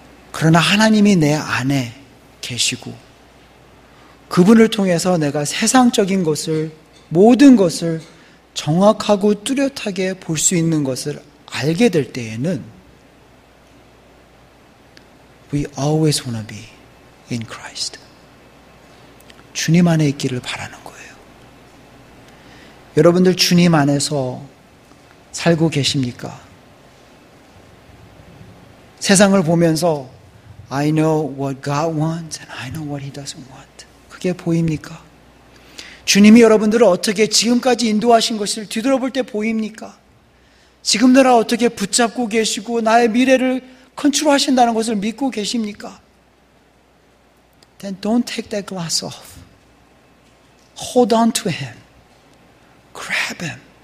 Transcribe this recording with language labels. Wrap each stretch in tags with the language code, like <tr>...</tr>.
<ko>그러나 하나님이 내 안에 계시고 그분을 통해서 내가 세상적인 것을, 모든 것을 정확하고 뚜렷하게 볼 수 있는 것을 알게 될 때에는</ko> <en>We always wanna be in Christ.</en> <ko>주님 안에 있기를 바라는 거예요. 여러분들 주님 안에서 살고 계십니까? 세상을 보면서</ko> <en>I know what God wants and I know what he doesn't want.</en> <ko>그게 보입니까? 주님이 여러분들을 어떻게 지금까지 인도하신 것을 뒤돌아볼 때 보입니까? 지금 나를 어떻게 붙잡고 계시고 나의 미래를 컨트롤하신다는 것을 믿고 계십니까?</ko> <en>Then don't take that glass off. Hold on to him. Grab him.</en>